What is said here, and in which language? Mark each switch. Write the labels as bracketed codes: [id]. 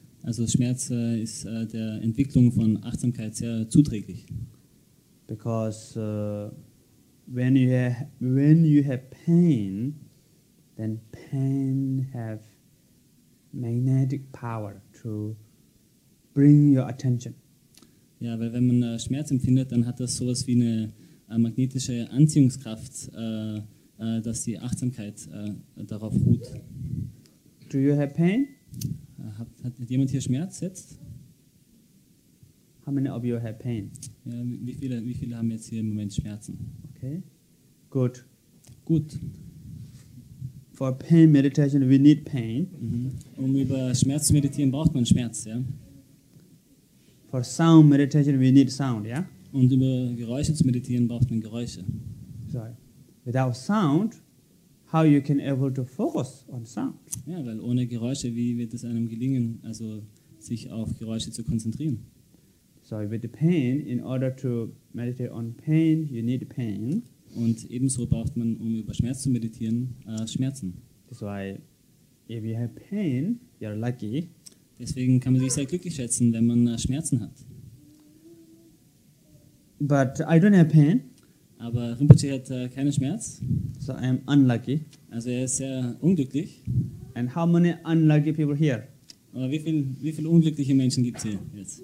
[de] Also Schmerz ist der Entwicklung von Achtsamkeit sehr zuträglich. [en] Because when you have pain, then pain have magnetic power to bring your attention. [de] Ja, weil wenn man Schmerz empfindet, dann hat das sowas wie eine magnetische Anziehungskraft, dass die Achtsamkeit darauf ruht. [en] Do you have pain? [de] Hat jemand hier Schmerz jetzt? [en] How many of you have pain? [de] Ja, wie viele haben jetzt hier im Moment Schmerzen? [en] Okay. Good. [de] Gut. [en] For pain meditation, we need pain. Mhm. [de] Um über Schmerz zu meditieren, braucht man Schmerz, ja. [en] For sound meditation, we need sound, yeah? [de] Und über Geräusche zu meditieren, braucht man Geräusche. [en] Sorry. Without sound, how you can able to focus on sound? [de] Ja, weil ohne Geräusche, wie wird es einem gelingen, also sich auf Geräusche zu konzentrieren? [en] So with the pain, in order to meditate on pain, you need pain. [de] Und ebenso braucht man, um über Schmerz zu meditieren, Schmerzen. [en] That's why, if you have pain, you're lucky. [de] Deswegen kann man sich sehr glücklich schätzen, wenn man Schmerzen hat. [en] But I don't have pain. [de] Aber Rinpoche hat keinen Schmerz. [en] So I am unlucky. [de] Also er ist sehr unglücklich. [en] And how many unlucky people here? [de] Aber wie viele unglückliche Menschen gibt es hier jetzt?